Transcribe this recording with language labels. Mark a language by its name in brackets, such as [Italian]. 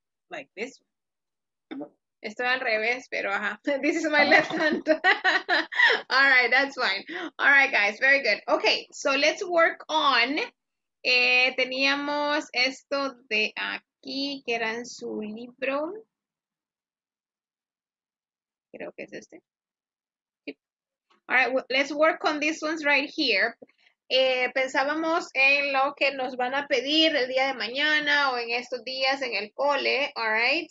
[English] Like this. [Spanish] Estoy al revés, pero ajá. [English] This is my left hand. All right, that's fine. All right, guys, very good. Okay, so let's work on. [Spanish] Teníamos esto de aquí, que era en su libro. Creo que es este. [English] All right, well, let's work on these ones right here. [Spanish] Pensábamos en lo que nos van a pedir el día de mañana o en estos días en el cole, [English] all right?